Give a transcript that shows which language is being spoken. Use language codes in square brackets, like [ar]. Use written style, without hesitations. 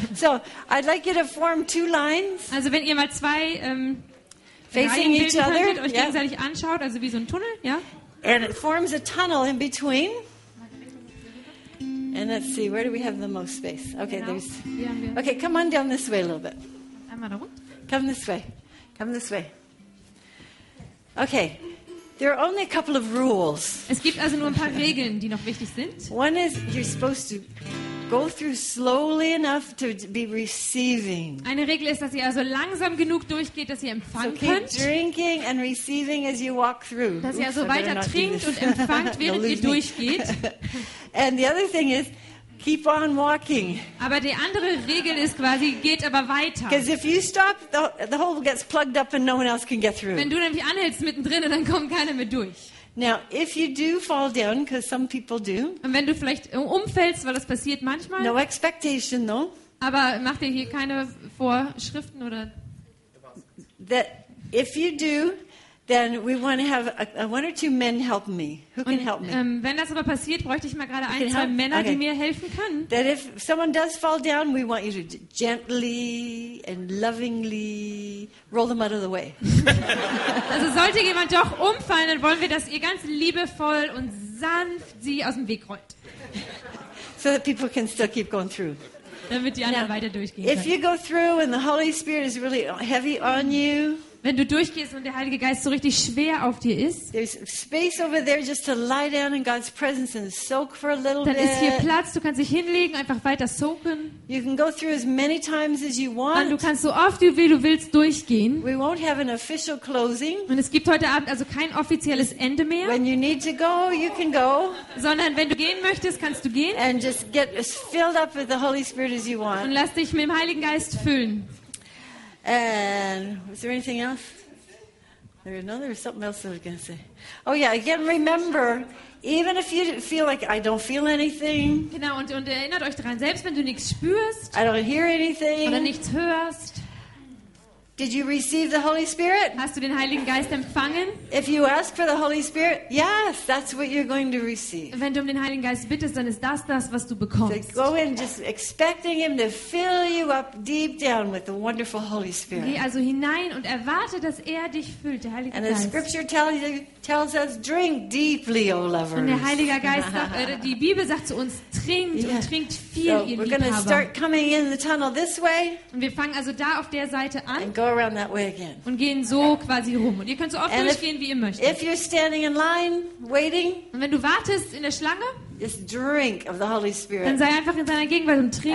[en] So, I'd like you to form two lines. [de] Also wenn ihr mal zwei [en] facing [de] Reihen [en] each other, [de] könntet, euch gegenseitig anschaut, also wie so ein Tunnel, ja? [en] And it forms a tunnel in between. And let's see, where do we have the most space? Okay, [de] genau. [en] There's. Okay, come on down this way a little bit. [de] Einmal da rund. [en] Come this way. Come this way. Okay, there are only a couple of rules. [de] Es gibt also nur ein paar Regeln, die noch wichtig sind. [en] One is you're supposed to go through slowly enough to be receiving. [de] Eine Regel ist, dass ihr also langsam genug durchgeht, dass ihr empfangen [en] so [de] könnt. [en] Keep drinking and receiving as you walk through. [de] Dass ihr also weiter trinkt und empfangt, während [en] no, [de] ihr durchgeht. [en] And the other thing is keep on walking. [de] Aber die andere Regel ist quasi, geht aber weiter. [en] Because if you stop, the hole gets plugged up and no one else can get through. [de] Wenn du nämlich anhältst mittendrin, dann kommt keiner mehr durch. [en] Now, if you do fall down, because some people do. [de] Und wenn du vielleicht umfällst, weil das passiert manchmal. [en] No expectation, though. [de] Aber mach dir hier keine Vorschriften oder. [en] That if you do. Then we want to have one or two men help me. Who [de] Und, [en] can help me? [de] Wenn das aber passiert, bräuchte ich mal gerade ein, zwei Männer, [en] okay. [de] die mir helfen können. [en] That if someone does fall down, we want you to gently and lovingly roll them out of the way. [de] Also sollte jemand doch umfallen, dann wollen wir, dass ihr ganz liebevoll und sanft sie aus dem Weg rollt. [en] So that people can still keep going through. [de] Damit die anderen [en] Now, [de] weiter durchgehen können. [en] If you go through and the Holy Spirit is really heavy on you, [de] wenn du durchgehst und der Heilige Geist so richtig schwer auf dir ist, dann ist hier Platz, du kannst dich hinlegen, einfach weiter soaken. [en] You can go through as many times as you want. [de] Und du kannst so oft, wie du willst, durchgehen. [en] We won't have an official closing. [de] Und es gibt heute Abend also kein offizielles Ende mehr. [en] When you need to go, you can go. [de] Sondern wenn du gehen möchtest, kannst du gehen. [en] And just get as filled up with the Holy Spirit as you want. [de] Und lass dich mit dem Heiligen Geist füllen. [en] And was there anything else? There was something else I was going to say. Oh yeah, again, remember, even if you feel like I don't feel anything. [de] Genau, und erinnert euch daran, selbst wenn du nichts spürst. [en] I don't hear anything. [de] Oder nichts hörst. [en] Did you receive the Holy Spirit? [de] Hast du den Heiligen Geist empfangen? [en] If you ask for the Holy Spirit, yes, that's what you're going to receive. [de] Wenn du um den Heiligen Geist bittest, dann ist das, was du bekommst. [en] So go in just expecting him to fill you up deep down with the wonderful Holy Spirit. [de] Geh also hinein und erwarte, dass dich füllt, der Heilige Geist. [en] And the scripture tells us, drink deeply, O lovers. [de] Und der Heilige Geist sagt, die Bibel sagt zu uns, trinkt und trinkt viel, ihr Liebhaber. [en] We're going to start coming in the tunnel this way. [de] Und wir fangen also da auf der Seite an. [en] Go around that way again. [de] Und gehen so quasi rum. Und ihr könnt so oft durchgehen, wie ihr möchtet. [en] If you're standing in line, waiting, [de] und wenn du wartest in der Schlange, [en] just drink of the Holy Spirit. [de] Dann sei einfach in seiner Gegenwart und trink